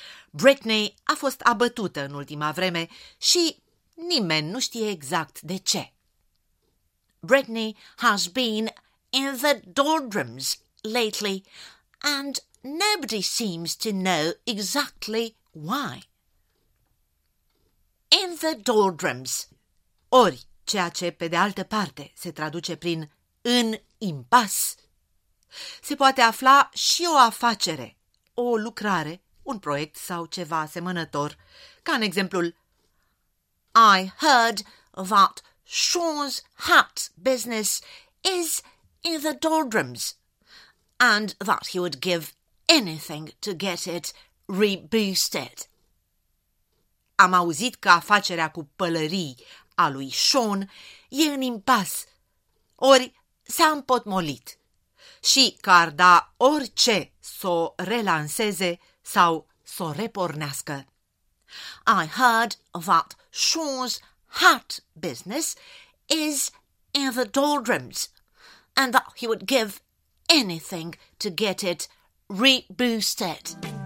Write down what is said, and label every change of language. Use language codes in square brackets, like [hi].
[ro] Brittany a fost abătută în ultima vreme și nimeni nu știe exact de ce. [en] Brittany has been in the doldrums lately and nobody seems to know exactly why. In the doldrums. [ro] Ori, ceea ce pe de altă parte se traduce prin în impas. Se poate afla și o afacere, o lucrare, un proiect sau ceva asemănător, ca în exemplul [en] I heard that Sean's hat business is in the doldrums and that he would give anything to get it reboosted. [ro] Am auzit că afacerea cu pălării a lui Sean e în impas, ori s-a împotmolit și că ar da orice să o relanseze sau să o repornească. [en] I heard that Sean's hat business is in the doldrums and that he would give anything to get it reboosted.